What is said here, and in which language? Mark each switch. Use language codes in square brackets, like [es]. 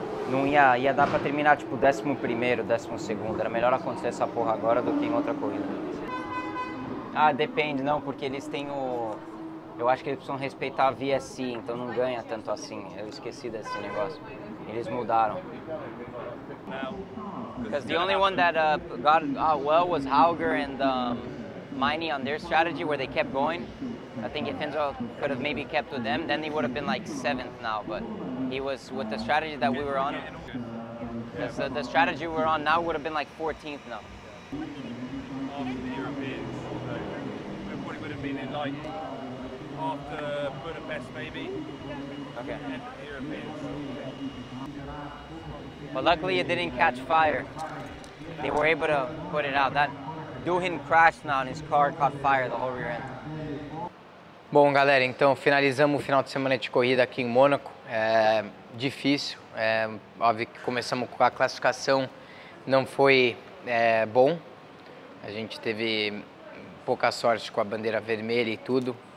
[pt] Não ia dar pra terminar tipo 11º, 12º. Era melhor acontecer essa porra agora do que em outra corrida. Ah, depende, não, porque eles têm o... Eu acho que eles precisam respeitar a VSC, então não ganha tanto assim. Eu esqueci desse negócio. Eles mudaram. [en] Because the only one that got well was Hauger and Miney on their strategy where they kept going. I think if Enzo could have maybe kept with them, then he would have been like 7th now, but he was with the strategy that we were on. The strategy we're on now would have been like 14th now. Off the Europeans, so everybody would have been in like after Budapest maybe. Okay. And the Europeans. But luckily it didn't catch fire. They were able to put it out. That Doohan crashed now and his car caught fire the whole rear end. [pt] Bom, galera, então finalizamos o final de semana de corrida aqui em Mônaco. Difícil, óbvio que começamos com a classificação, não foi bom. A gente teve pouca sorte com a bandeira vermelha e tudo.